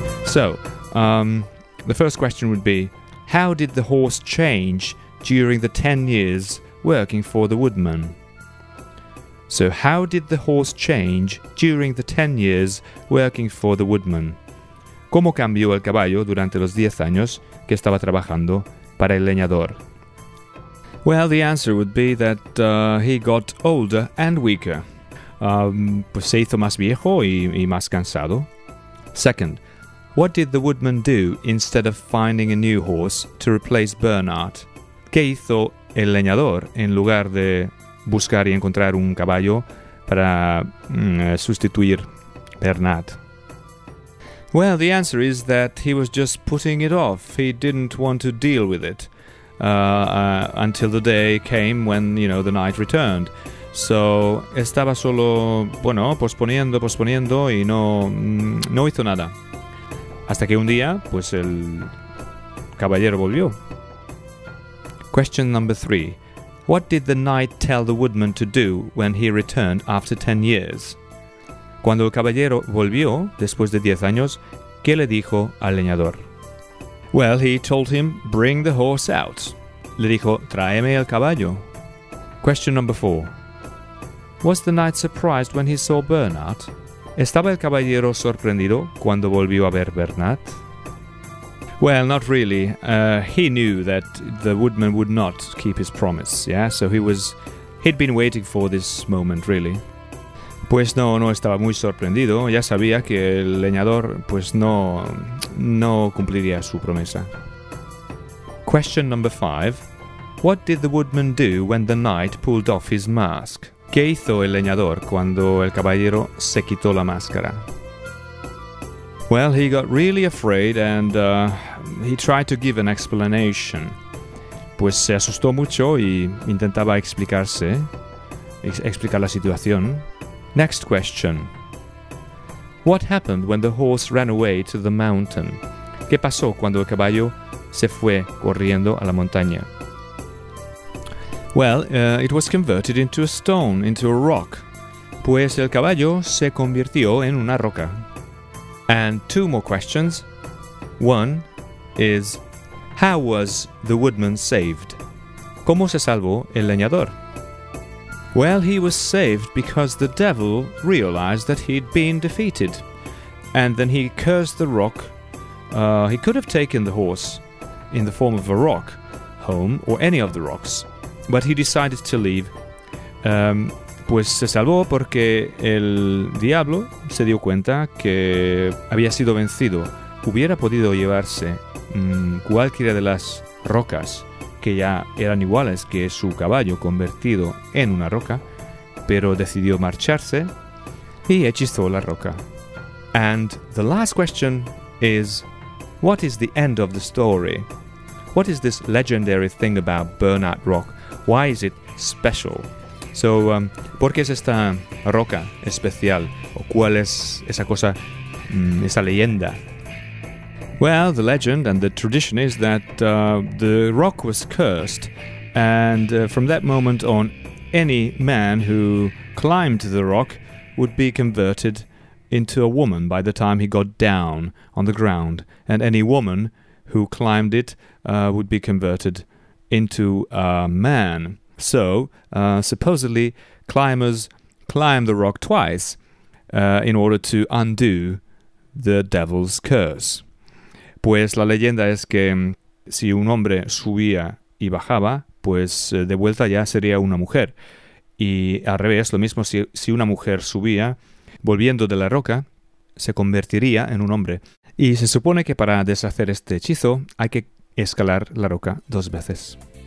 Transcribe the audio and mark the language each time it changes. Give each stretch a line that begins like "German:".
English: So, the first question would be, how did the horse change during the 10 years working for the woodman? So how did the horse change during the 10 years working for the woodman?
Spanish: ¿Cómo cambió el caballo durante los 10 años que estaba trabajando para el leñador?
English: Well, the answer would be that he got older and weaker.
Spanish: Pues se hizo más viejo y más cansado.
English: Second, what did the woodman do instead of finding a new horse to replace Bernard?
Spanish: ¿Qué hizo el leñador en lugar de buscar y encontrar un caballo para sustituir Bernard?
English: Well, the answer is that he was just putting it off. He didn't want to deal with it until the day came when, you know, the knight returned.
Spanish: So, estaba solo, bueno, posponiendo y no hizo nada. Hasta que un día, pues el caballero volvió.
English: Question number 3. What did the knight tell the woodman to do when he returned after 10 years?
Spanish: Cuando el caballero volvió, después de 10 años, ¿qué le dijo al leñador?
English: Well, he told him, bring the horse out.
Spanish: Le dijo, tráeme el caballo.
English: Question number 4. Was the knight surprised when he saw Bernard?
Spanish: ¿Estaba el caballero sorprendido cuando volvió a ver Bernard?
English: Well, not really. He knew that the woodman would not keep his promise, yeah? So he'd been waiting for this moment, really.
Spanish: Pues no estaba muy sorprendido. Ya sabía que el leñador, pues no cumpliría su promesa.
English: Question number 5. What did the woodman do when the knight pulled off his mask?
Spanish: ¿Qué hizo el leñador cuando el caballero se quitó la máscara?
English: Well, he got really afraid and he tried to give an explanation.
Spanish: Pues se asustó mucho y intentaba explicar la situación.
English: Next question. What happened when the horse ran away to the mountain?
Spanish: ¿Qué pasó cuando el caballo se fue corriendo a la montaña?
English: Well, it was converted into a stone, into a rock.
Spanish: Pues el caballo se convirtió en una roca.
English: And 2 more questions. 1 is, how was the woodman saved?
Spanish: ¿Cómo se salvó el leñador?
English: Well, he was saved because the devil realized that he'd been defeated. And then he cursed the rock. He could have taken the horse in the form of a rock home, or any of the rocks. But he decided to leave.
Spanish: Pues se salvó porque el diablo se dio cuenta que había sido vencido. Hubiera podido llevarse cualquiera de las rocas que ya eran iguales que su caballo convertido en una roca, pero decidió marcharse y hechizó la roca.
English: And the last question is, what is the end of the story? What is this legendary thing about Bernard Rock? Why is it special?
Spanish: So, ¿por qué es esta roca especial? ¿O cuál es esa cosa, esa leyenda?
English: Well, the legend and the tradition is that the rock was cursed, and from that moment on, any man who climbed the rock would be converted into a woman by the time he got down on the ground, and any woman who climbed it would be converted into a man. So, supposedly, climbers climb the rock twice in order to undo the devil's curse.
Spanish: Pues la leyenda es que si un hombre subía y bajaba, pues de vuelta ya sería una mujer. Y al revés, lo mismo si una mujer subía, volviendo de la roca, se convertiría en un hombre. Y se supone que para deshacer este hechizo hay que escalar la roca 2 veces.